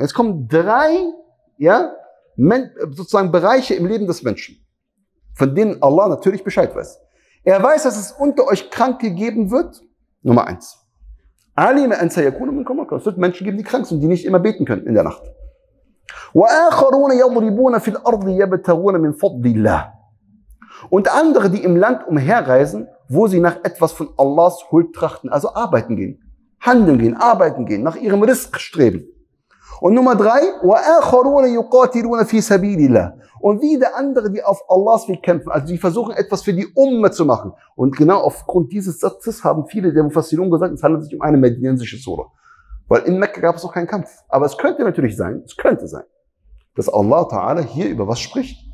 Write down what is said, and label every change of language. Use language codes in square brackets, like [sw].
[de] Jetzt kommen drei, ja, sozusagen Bereiche im Leben des Menschen, von denen Allah natürlich Bescheid weiß. Er weiß, dass es unter euch Kranke geben wird. Nummer eins. [ar] Alima ansa yakunu minkum marda. [de] Es wird Menschen geben, die krank sind, die nicht immer beten können in der Nacht. [ar] وآخرون يضربون في الأرض يبتغون من فضل الله. [de] Und andere, die im Land umherreisen, wo sie nach etwas von Allahs Huld trachten, also arbeiten gehen, handeln gehen, arbeiten gehen, nach ihrem Rizq streben. Und Nummer drei, [ar] وَآخَرُونَ يُقَاتِلُونَ فِي سَبِيلِ اللَّهِ. [de] Und wieder andere, die auf Allahs Weg kämpfen, also die versuchen, etwas für die Umma zu machen. Und genau aufgrund dieses Satzes haben viele der Mufassirun gesagt, es handelt sich um eine medinensische Sura. Weil in Mekka gab es auch keinen Kampf. Aber es könnte natürlich sein, dass Allah Ta'ala hier über was spricht?